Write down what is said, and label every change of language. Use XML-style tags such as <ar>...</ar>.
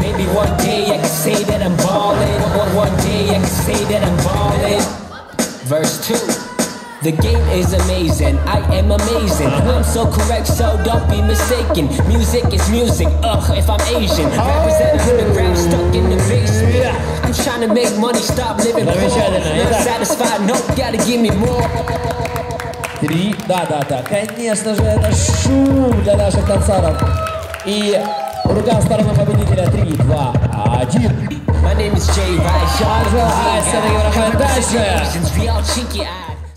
<en>Maybe one day I can say that I'm ballin'. One day I can say that I'm ballin'. Verse 2. The game is amazing, I am amazing. I'm so correct, so don't be mistaken. Music is music, ugh, if I'm Asian. Represent the ground, stuck in the basement. I'm trying to make money, stop living poor. Not satisfied, no, gotta give me more.</en> <ru>Три, да-да-да, конечно же, это шум для наших танцоров. И рука в сторону победителя, 3, 2, 1.</ru> <en>My name is Jay Rice, I'm gonna go ahead and dance.</en>